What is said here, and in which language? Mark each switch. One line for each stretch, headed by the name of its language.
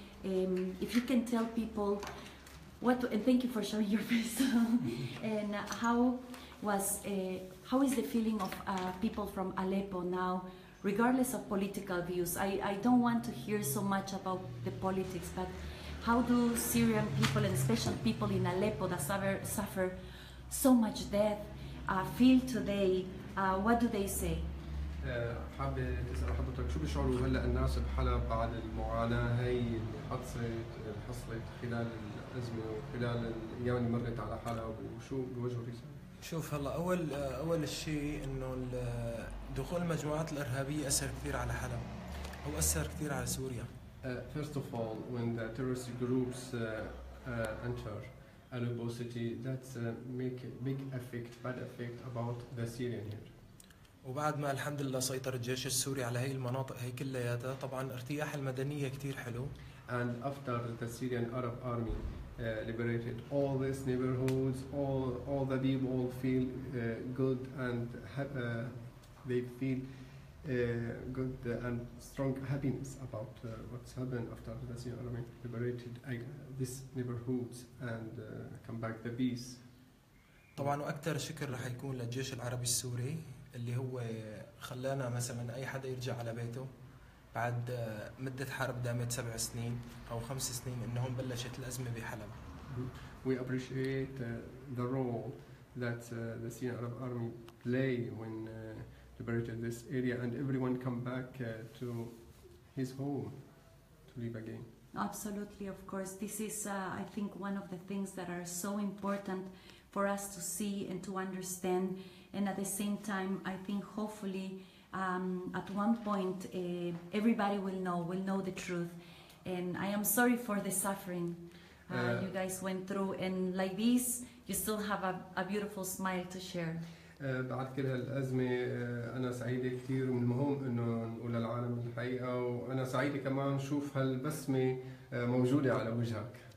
English: If you can tell people what, and thank you for showing your face, and how is the feeling of people from Aleppo now, regardless of political views? I don't want to hear so much about the politics, but how do Syrian people, and especially people in Aleppo that suffer so much death, feel today? What do they say?
Arabic: حابة تسأل حضرتك شو بيشعروا هلأ الناس بحلب بعد المعاناة هاي اللي حصلت خلال الأزمة وخلال الأيام اللي مرت على حلب وشو بوجهوا رسالة؟ شوف هلأ أول شيء إنه دخول المجموعات الإرهابية أثر كثير على حلب أو أثر كثير على سوريا.
English: First of all, when the terrorist groups enter Aleppo city, that's make a big effect, bad effect about the Syrian here.
Arabic: وبعد ما الحمد لله سيطر الجيش السوري على هاي المناطق هاي كلياتها طبعا ارتياح المدنية كتير حلو.
English: And after the Syrian Arab Army liberated all these neighborhoods, all the people feel good and they feel good and strong happiness about what's happened after the Syrian Army liberated these neighborhoods and come back the peace.
Arabic: طبعا وأكثر شكر رح يكون للجيش العربي السوري اللي هو خلانا مثلاً أي حدا يرجع على بيته بعد مدة حرب دامت 7 سنين أو 5 سنين إنهم بلشت الأزمة بحلب.
English: We appreciate the role that the Syrian Arab Army play when liberated this area and everyone come back to his home to live again. Absolutely, of course. This is, I think, one of the things that are so important for us to see and to understand. And at the same time, I think hopefully at one point everybody will know the truth. And I am sorry for the suffering you guys went through. And like this, you still have a beautiful smile to share.
Arabic: بعد كل هالأزمة أنا سعيدة كتير ومن المهم إنه نقول للعالم الحقيقة وأنا سعيدة كمان شوف هالبسمة موجودة على وجهك.